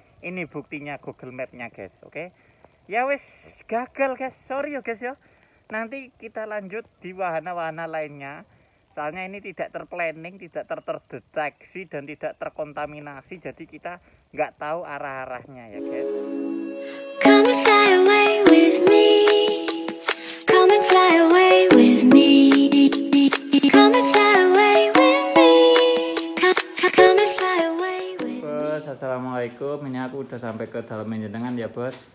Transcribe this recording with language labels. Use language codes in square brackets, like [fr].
[id] Ini buktinya Google Map-nya guys, oke. Okay? [jv] Ya wis [id] gagal guys. Sorry ya guys ya. Nanti kita lanjut di wahana-wahana lainnya. Soalnya ini tidak terplanning, tidak terdeteksi dan tidak terkontaminasi, jadi kita enggak tahu arah-arahnya ya guys. [en] Come and fly away with me. Come and fly away with me. Come and fly away with me. Come and fly away with me. [id] Bos, assalamualaikum. Ini aku udah sampai ke dalam jenengan ya, Bos.